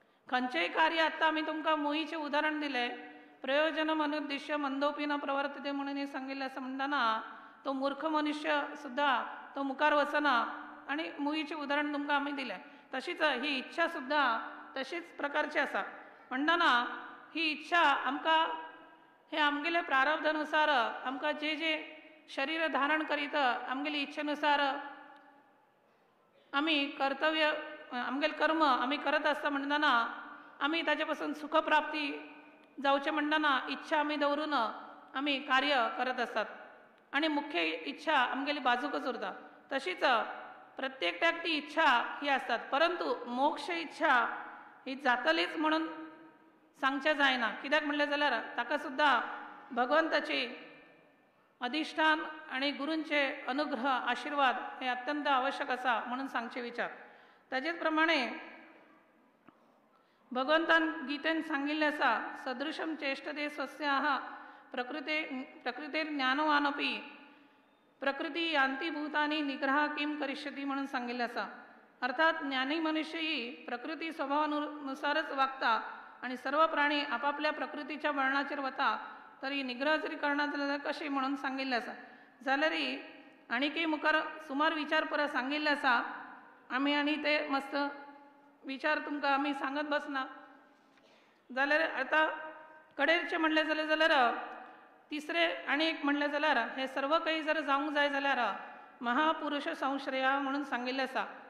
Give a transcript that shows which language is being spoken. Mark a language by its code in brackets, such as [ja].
[gom] खंयचेय कार्य आतां आमी तुमकां मोहीचें उदाहरण दिलें, [sa] प्रयोजन मनुद्दिश्य मंदोपीन प्रवर्तते [gom] म्हणून सांगिल्लें आसा. म्हणटना तो मूर्ख मनुष्य सुद्दां तो मुखार वचना आनी मोहीचें उदाहरण तुमकां आमी दिलें. तशीच ही इच्छा सुद्दां तशीच प्रकारची आसा. म्हणटना ही इच्छा आमकां हे आमगेले प्रारब्धानुसार आमकां जे जे शरीर धारण करीत आमगेले इच्छेनुसार आमी कर्तव्य आमगेले कर्म आमी करत आसता. म्हणटना आमी ताचे पासून सुखप्राप्ती जावचे म्हणटना इच्छा आमी दवरून आमी कार्य करत आसतात आनी मुख्य इच्छा आमगेली बाजूकच उरता. तशीच प्रत्येकट्याक ती इच्छा ही आसतात. परंतु मोक्ष इच्छा ही जातलीच म्हणून सांगचे जायना. कित्याक म्हणले जाल्यार ताका सुद्धा भगवंताची अधिष्ठान आनी गुरूंचे अनुग्रह आशिर्वाद हे अत्यंत आवश्यक आसा म्हणून सांगचे विचार. ताचेच प्रमाणे भगवंतान गीतेन सांगिल्ले आसा, [sa] सदृशम चेष्टते स्वस्या प्रकृतीर ज्ञानवानपी प्रकृती यांतीभूतानी निग्रह किम करिष्यती [gom] म्हणून सांगिल्ले आसा. अर्थात ज्ञानी मनुष्यही प्रकृती स्वभावानुसारच वागता आणि सर्व प्राणी आपापल्या प्रकृतीच्या वळणाचेर वता तरी निग्रह जरी करणार जाल्यार कशी म्हणून सांगिल्ले आसा. जाल्यारय आणिकय मुखार सुमार विचार परस सांगिल्ले आसा. आमी आनी ते मस्त विचार तुमकां आमी सांगत बसना. जाल्यार आतां कडेरचें म्हणले जाल्यार तिसरे आनी एक म्हणले जाल्यार हे सर्व काही जर जावंक जाय जाल्यार महापुरुष संश्रया म्हणून सांगिल्ले आसा.